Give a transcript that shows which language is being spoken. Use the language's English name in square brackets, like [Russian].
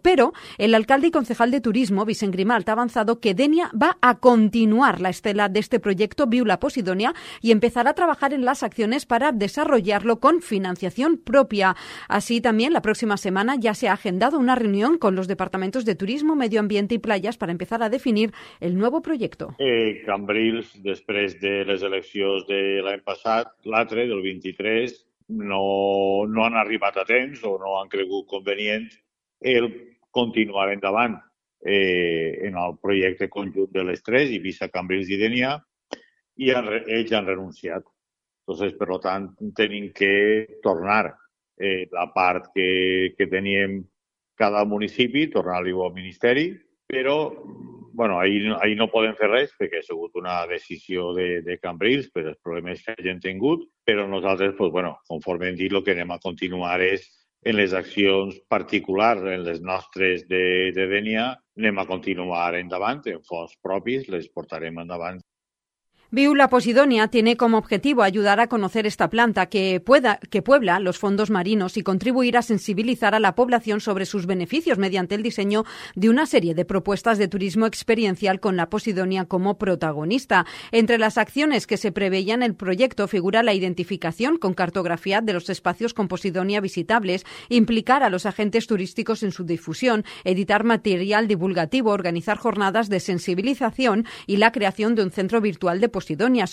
[Spanish] Pero el alcalde y concejal de turismo, Vicent Grimalt, ha avanzado que Denia va a continuar la estela de este proyecto Viula Posidonia y empezará a trabajar en las acciones para desarrollarlo con financiación propia. Así también, la próxima semana ya se ha agendado una reunión con los departamentos de turismo, medio ambiente y playas para empezar a definir el nuevo proyecto. [Catalan] Cambrils, després de les eleccions de l'any passat, l'altre, del 23, no han arribat a temps o no han cregut convenient el continuar endavant en el projecte conjunt de les tres, Eivissa, Cambrils i Denia, i ells han renunciat. Entonces, per tant, tenim que tornar la part que teníem cada municipi, tornar-li al Ministeri, però... Bueno, ahí no podem fer res perquè ha sigut una decisió de Cambrils per els problemes que hagin tingut, però nosaltres, pues, bueno, conforme hem dit, el que anem a continuar és en les accions particulars, en les nostres de Denia, anem a continuar endavant, en fons propis, les portarem endavant. [Spanish] Viula Posidonia tiene como objetivo ayudar a conocer esta planta que puebla los fondos marinos y contribuir a sensibilizar a la población sobre sus beneficios mediante el diseño de una serie de propuestas de turismo experiencial con la Posidonia como protagonista. Entre las acciones que se preveían en el proyecto figura la identificación con cartografía de los espacios con Posidonia visitables, implicar a los agentes turísticos en su difusión, editar material divulgativo, organizar jornadas de sensibilización y la creación de un centro virtual de Posidonia.